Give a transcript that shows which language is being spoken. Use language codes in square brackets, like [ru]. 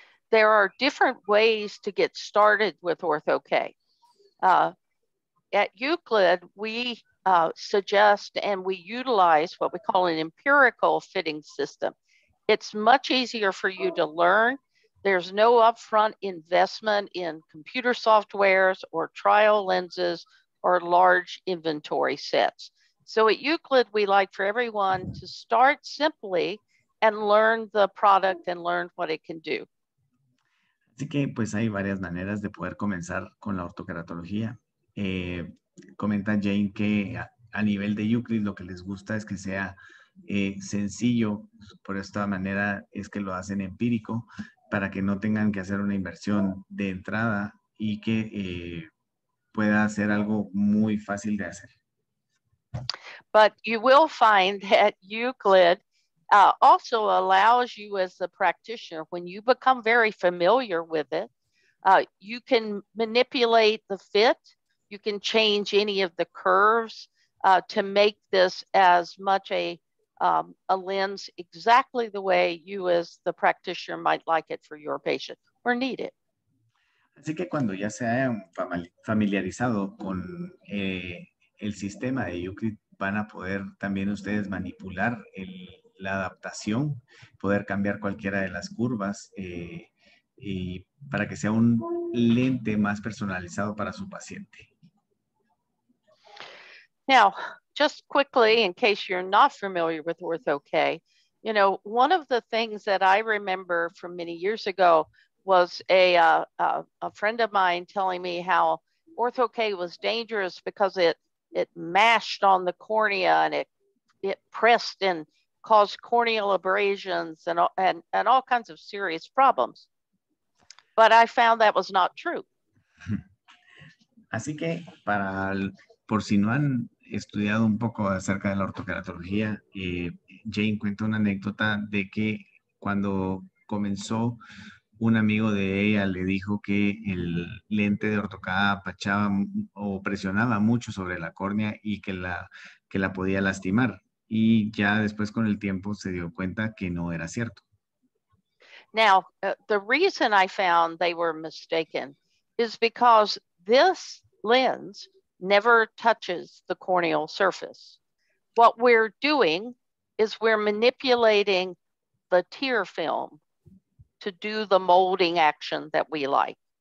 [en] There are different ways to get started with ortho-K. At Euclid, we suggest and we utilize what we call an empirical fitting system. It's much easier for you to learn There's no upfront investment in computer softwares or trial lenses or large inventory sets. So at Euclid, we like for everyone to start simply and learn the product and learn what it can do. [es] Así que pues hay varias maneras de poder comenzar con la ortokeratología. Comenta Jane que a nivel de Euclid lo que les gusta es que sea sencillo, por esta manera es que lo hacen empírico para que no tengan que hacer una inversión de entrada y que pueda ser algo muy fácil de hacer. [en] But you will find that Euclid also allows you as the practitioner, when you become very familiar with it, you can manipulate the fit, you can change any of the curves to make this as much a lens exactly the way you as the practitioner might like it for your patient or need it. [es] Así que cuando ya se hayan familiarizado con el sistema de Euclid, van a poder también ustedes manipular la adaptación, poder cambiar cualquiera de las curvas y para que sea un lente más personalizado para su paciente. [en] Now, just quickly, in case you're not familiar with OrthoK, you know, one of the things that I remember from many years ago was a friend of mine telling me how OrthoK was dangerous because it mashed on the cornea and it pressed and caused corneal abrasions and all kinds of serious problems. But I found that was not true. [es] Así que por si no han estudiado un poco acerca de la ortokeratología, Jane cuenta una anécdota de que cuando comenzó, un amigo de ella le dijo que el lente de ortocada apachaba o presionaba mucho sobre la córnea y que la podía lastimar. Y ya después con el tiempo se dio cuenta que no era cierto. [en] Now, the reason I found they were mistaken is because this lens never touches the corneal surface. What we're doing is we're manipulating the tear film to do the molding action that we like.